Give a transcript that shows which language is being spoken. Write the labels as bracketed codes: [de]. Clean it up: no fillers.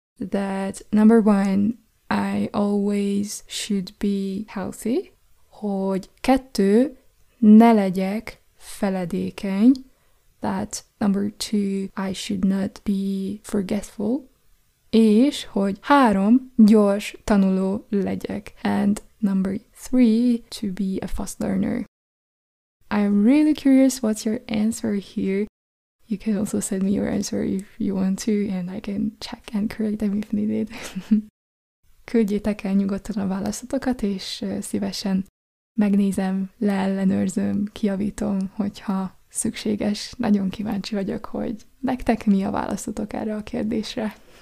[en] that number one, I always should be healthy, [hu] hogy kettő, ne legyek feledékeny, [en] that number two, I should not be forgetful, [hu] és hogy három, gyors tanuló legyek, [en] and number three, to be a fast learner. I'm really curious what's your answer here. You can also send me your answer if you want to, and I can check and correct them if needed. [hu] Küldjétek el nyugodtan a válaszotokat, és szívesen megnézem, leellenőrzöm, kijavítom, hogyha szükséges. Nagyon kíváncsi vagyok, hogy nektek mi a válaszotok erre a kérdésre.